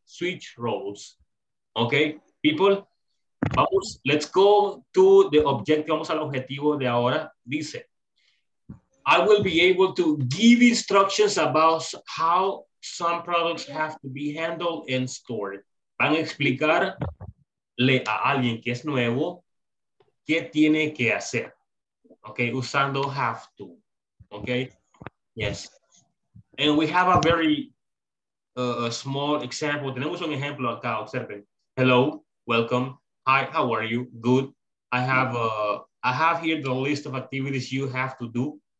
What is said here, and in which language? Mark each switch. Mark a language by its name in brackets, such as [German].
[English] Switch roles. Okay, people, vamos, let's go to the objective. [Spanish] Vamos al objetivo de ahora. Dice, [English] I will be able to give instructions about how some products have to be handled and stored. [Spanish] Van a explicarle a alguien que es nuevo qué tiene que hacer. Okay, usando have to. Okay. [English] Yes, and we have a very small example. [Spanish] Tenemos un ejemplo acá, observen. [English] Hello, welcome. Hi, how are you? Good. I have here the list of activities you have to do.